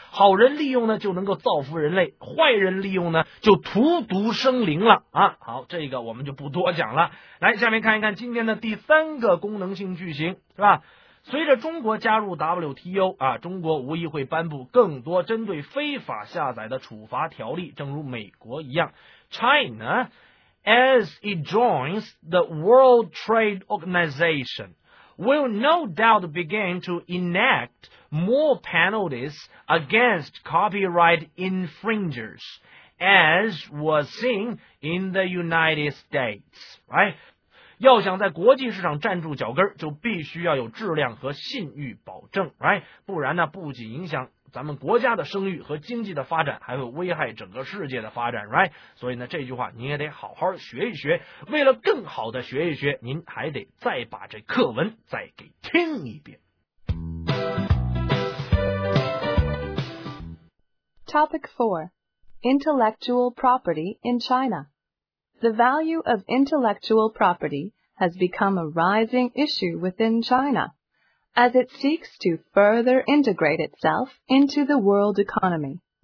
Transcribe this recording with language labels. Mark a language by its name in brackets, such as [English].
[Chinese] 好人利用呢就能够造福人类，坏人利用呢就荼毒生灵了啊。好，这个我们就不多讲了。来，下面看一看今天的第三个功能性句型，是吧？随着中国加入 WTO 啊，中国无疑会颁布更多针对非法下载的处罚条例，正如美国一样。 [English] China, as it joins the World Trade Organization, will no doubt begin to enact more penalties against copyright infringers, as was seen in the United States, right? [Chinese] 要想在国际市场站住脚跟，就必须要有质量和信誉保证、right? 不然呢，不仅影响咱们国家的声誉和经济的发展，还会危害整个世界的发展、right? 所以呢，这句话您也得好好学一学，为了更好的学一学，您还得再把这课文再给听一遍。 [English] Topic 4 Intellectual Property in ChinaThe value of intellectual property has become a rising issue within China, as it seeks to further integrate itself into the world economy.